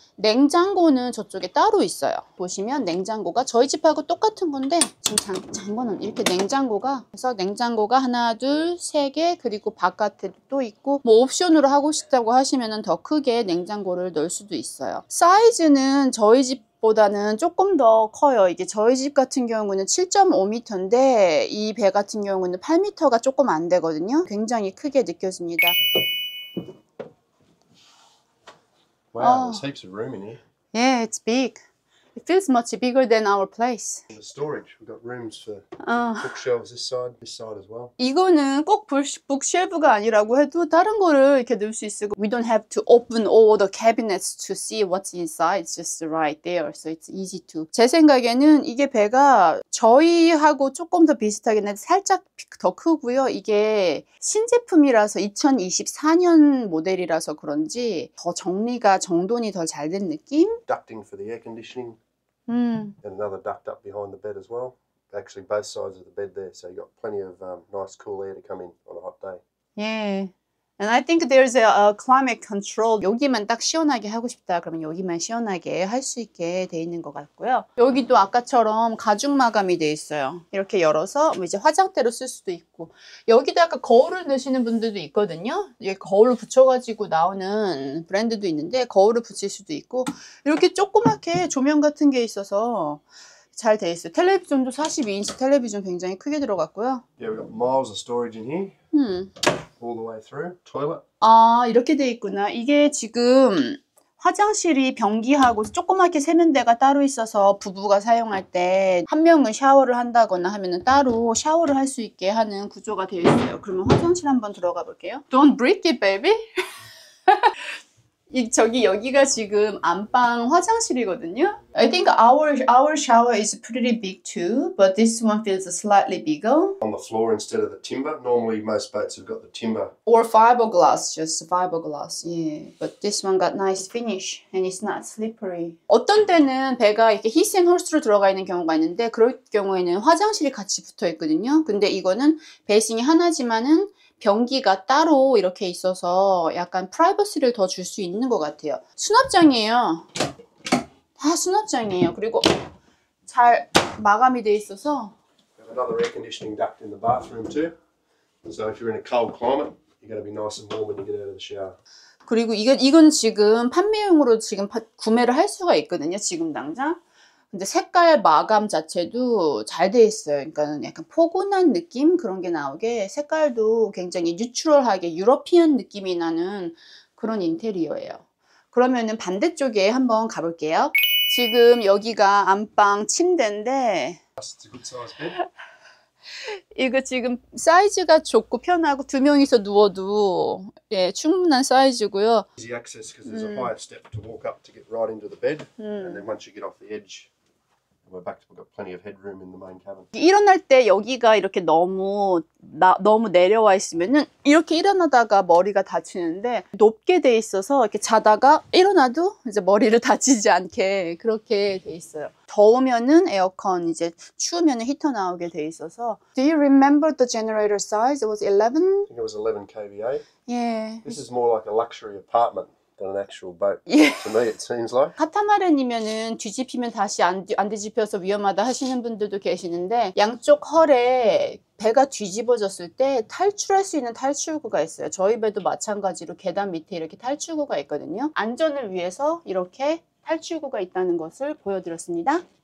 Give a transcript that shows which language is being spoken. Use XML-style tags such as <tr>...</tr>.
<ko>냉장고는 저쪽에 따로 있어요. 보시면 냉장고가 저희 집하고 똑같은 건데 지금 잠궈는 이렇게 냉장고가 그래서 냉장고가 하나, 둘, 세 개 그리고 바깥에도 또 있고 뭐 옵션으로 하고 싶다고 하시면 더 크게 냉장고를 넣을 수도 있어요. 사이즈는 저희 집 보다는 조금 더 커요. 이게 저희 집 같은 경우는 7.5m인데 이 배 같은 경우는 8m가 조금 안 되거든요. 굉장히 크게 느껴집니다.</ko> <en>Wow, there's heaps of room in here. Yeah, it's big. It feels much bigger than our place. The storage. We've got rooms for bookshelves this side as well.</en> <ko>이거는 꼭 북쉘브가 아니라고 해도 다른 거를 이렇게 넣을 수 있고</ko> <en>We don't have to open all the cabinets to see what's inside. It's just right there. So it's easy to.</en> <ko>제 생각에는 이게 배가 저희하고 조금 더 비슷하긴 한데 살짝 더 크고요. 이게 신제품이라서 2024년 모델이라서 그런지 더 정리가 정돈이 더 잘 된 느낌?</ko> <en>Ducting for the air conditioning. And another duct up behind the bed as well. Actually both sides of the bed there, so you got plenty of nice cool air to come in on a hot day. Yeah. And I think there's a climate control.</en> <ko>여기만 딱 시원하게 하고 싶다 그러면 여기만 시원하게 할 수 있게 돼 있는 것 같고요. 여기도 아까처럼 가죽 마감이 돼 있어요. 이렇게 열어서 이제 화장대로 쓸 수도 있고 여기도 약간 거울을 넣으시는 분들도 있거든요. 이게 거울을 붙여가지고 나오는 브랜드도 있는데 거울을 붙일 수도 있고 이렇게 조그맣게 조명 같은 게 있어서 잘 돼 있어요. 텔레비전도 42인치 텔레비전 굉장히 크게 들어갔고요.</ko> <en>Yeah, we got miles of storage in here. All the way through. Toilet.</en> <ko>아, 이렇게 돼 있구나. 이게 지금 화장실이 변기하고 조그맣게 세면대가 따로 있어서 부부가 사용할 때 한 명은 샤워를 한다거나 하면은 따로 샤워를 할 수 있게 하는 구조가 되어 있어요. 그러면 화장실 한번 들어가 볼게요.</ko> <en>Don't break it, baby.</en> <ko>저기 여기가 지금 안방 화장실이거든요.</ko> <en>I think our shower is pretty big too, but this one feels slightly bigger. On the floor instead of the timber. Normally most boats have got the timber. Or fiberglass, just fiberglass. Yeah, but this one got nice finish and it's not slippery.</en> <ko>어떤 때는 배가 이렇게 히스앤홀스로 들어가 있는 경우가 있는데 그럴 경우에는 화장실이 같이 붙어 있거든요. 근데 이거는 베이싱이 하나지만은 변기가 따로 이렇게 있어서 약간 프라이버시를 더 줄 수 있는 것 같아요. 수납장이에요. 다 수납장이에요. 그리고 잘 마감이 돼 있어서.</ko> <en>We have another air conditioning duct in the bathroom too. So if you're in a cold climate, you're going to be nice and warm when you get out of the shower.</en> <ko>그리고 이건 지금 판매용으로 지금 구매를 할 수가 있거든요. 지금 당장. 근데 색깔 마감 자체도 잘 돼 있어요. 그러니까 약간 포근한 느낌 그런 게 나오게 색깔도 굉장히 뉴트럴하게 유러피안 느낌이 나는 그런 인테리어예요. 그러면은 반대쪽에 한번 가볼게요. 지금 여기가 안방 침대인데 이거 지금 사이즈가 좋고 편하고 두 명이서 누워도 예, 충분한 사이즈고요.</ko> <en>Easy access because there's a higher step to walk up to get right into the bed. And then once you get off the edge, we're back to got plenty of headroom in the main cabin.</en> <ko>일어날 때 여기가 이렇게 너무 내려와 있으면은 이렇게 일어나다가 머리가 다치는데 높게 돼 있어서 이렇게 자다가 일어나도 이제 머리를 다치지 않게 그렇게 돼 있어요. 더우면은 에어컨, 이제 추우면은 히터 나오게 돼 있어서.</ko> <en>Do you remember the generator size? It was 11? I think it was 11 kVA. Yeah. This is more like a luxury apartment than an actual boat. Yeah. To me, it seems like.</en> <ko>카타마렌이면은 뒤집히면 다시 안 뒤집혀서 위험하다 하시는 분들도 계시는데 양쪽 허에 배가 뒤집어졌을 때 탈출할 수 있는 탈출구가 있어요. 저희 배도 마찬가지로 계단 밑에 이렇게 탈출구가 있거든요. 안전을 위해서 이렇게 탈출구가 있다는 것을 보여드렸습니다.</ko>